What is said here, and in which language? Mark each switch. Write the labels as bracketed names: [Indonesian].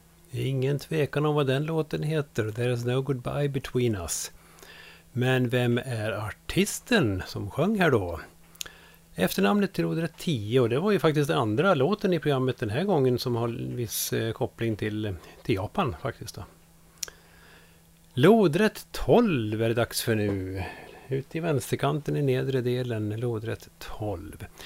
[Swedish] Ingen tvekan om vad den låten heter. [English] There's no goodbye between us. [Swedish] Men vem är artisten som sjöng här då? Efternamnet till lodrätt 10. Och det var ju faktiskt den andra låten i programmet den här gången som har en viss koppling till Japan faktiskt då. Lodrätt 12 är det dags för nu. Ut i vänsterkanten i nedre delen, lodrätt 12.